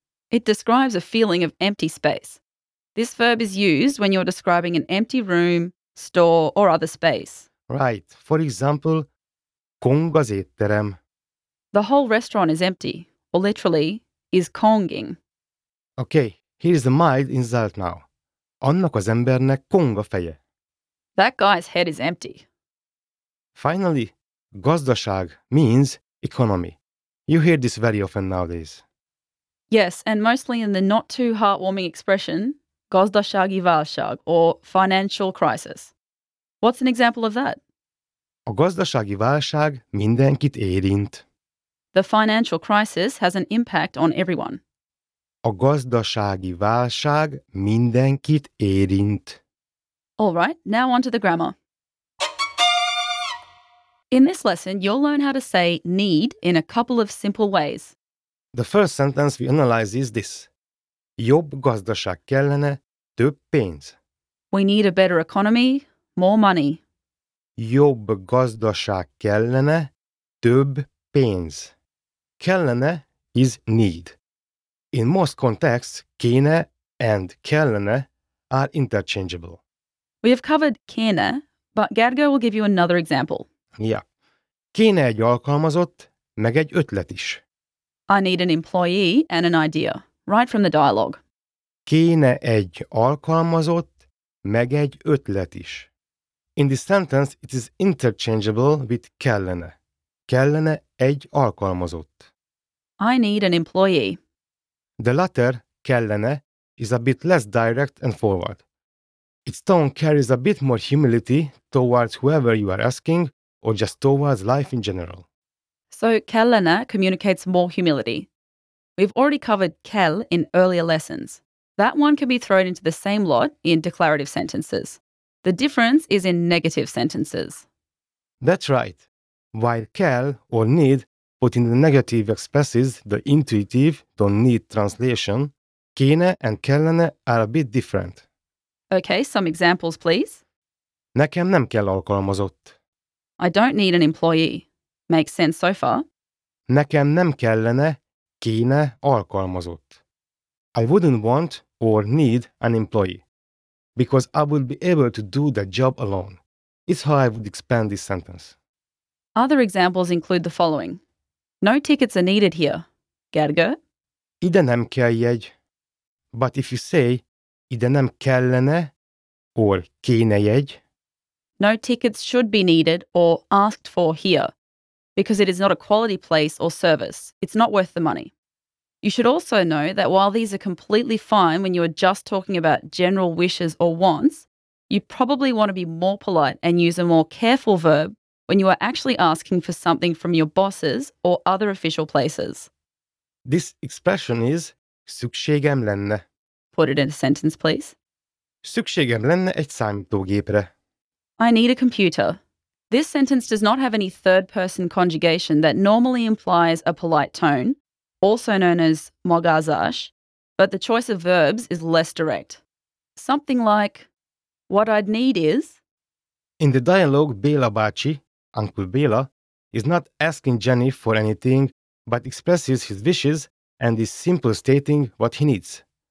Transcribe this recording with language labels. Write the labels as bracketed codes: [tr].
[en] It describes a feeling of empty space. This verb is used when you're describing an empty room, store, or other space. Right. For example, [hu] kong az étterem. [en] The whole restaurant is empty, or literally, is konging. Okay, here's the mild insult now. [hu] Annak az embernek kong a feje. [en] That guy's head is empty. Finally, gazdaság means economy. You hear this very often nowadays. Yes, and mostly in the not too heartwarming expression, [hu] gazdasági válság, [en] or financial crisis. What's an example of that? [hu] A gazdasági válság mindenkit érint. [en] The financial crisis has an impact on everyone. [hu] A gazdasági válság mindenkit érint. [en] All right, now on to the grammar. In this lesson, you'll learn how to say need in a couple of simple ways. The first sentence we analyze is this. [hu] Jobb gazdaság kellene, több pénz. [en] We need a better economy, more money. [hu] Jobb gazdaság kellene, több pénz. [en] Kellene is need. In most contexts, kéne and kellene are interchangeable. We have covered kéne, but Gergő will give you another example. Yeah. [hu] Kéne egy alkalmazott, meg egy ötlet is. [en] I need an employee and an idea, right from the dialogue. [hu] Kéne egy alkalmazott, meg egy ötlet is. [en] In this sentence, it is interchangeable with kellene. [hu] Kellene egy alkalmazott. [en] I need an employee. The latter, kellene, is a bit less direct and forward. Its tone carries a bit more humility towards whoever you are asking or just towards life in general. So, kellene communicates more humility. We've already covered kell in earlier lessons. That one can be thrown into the same lot in declarative sentences. The difference is in negative sentences. That's right. While kell or need put in the negative expresses the intuitive, don't need translation, kéne and kellene are a bit different. Okay, some examples, please. [hu] Nekem nem kell alkalmazott. [en] I don't need an employee. Makes sense so far. [hu] Nekem nem kellene, kéne alkalmazott. [en] I wouldn't want or need an employee, because I would be able to do the job alone. It's how I would expand this sentence. Other examples include the following. No tickets are needed here. Gergő? [hu] Ide nem kell jegy. [en] But if you say, [hu] ide nem kellene, [en] or [hu] kéne jegy. [en] No tickets should be needed or asked for here, because it is not a quality place or service. It's not worth the money. You should also know that while these are completely fine when you are just talking about general wishes or wants, you probably want to be more polite and use a more careful verb when you are actually asking for something from your bosses or other official places. This expression is [hu] szükségem lenne. [en] Put it in a sentence, please. [hu] Szükségem lenne egy számítógépre. [en] I need a computer. This sentence does not have any third-person conjugation that normally implies a polite tone, also known as magázás, but the choice of verbs is less direct. Something like, what I'd need is, In the dialogue, Béla bácsi, Uncle Béla, is not asking Jenny for anything, but expresses his wishes and is simply stating what he needs.